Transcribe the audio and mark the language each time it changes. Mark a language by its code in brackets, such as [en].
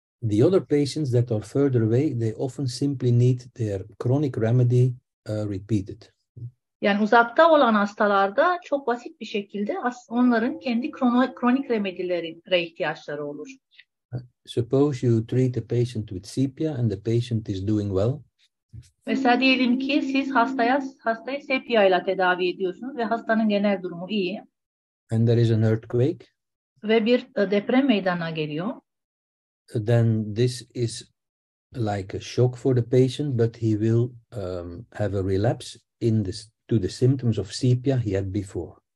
[en] The other patients that are further away, they often simply need their chronic remedy repeated. [tr] Yani uzakta olan hastalarda çok basit bir şekilde onların kendi kronik remedilere ihtiyaçları olur. [en] Suppose you treat a patient with sepia and the patient is doing well. [tr] Mesela diyelim ki siz hastayı sepia ile tedavi ediyorsunuz ve hastanın genel durumu iyi. [en] And there is an earthquake. [tr] Ve bir deprem meydana geliyor. [en] Then this is like a shock for the patient, but he will have a relapse in this to the symptoms of sepia he had before.